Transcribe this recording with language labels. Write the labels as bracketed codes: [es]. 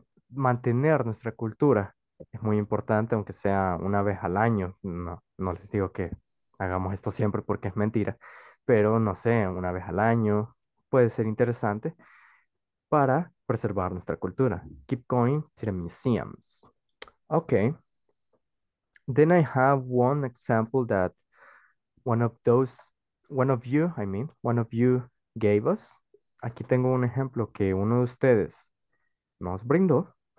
[es] mantener nuestra cultura. Es muy importante, aunque sea una vez al año. No, no les digo que hagamos esto siempre porque es mentira. Pero, no sé, una vez al año puede ser interesante para preservar nuestra cultura. [en] Keep going to the museums. Okay. Then I have one example that one of you gave us. [es] Aquí tengo un ejemplo que uno de ustedes nos brindó.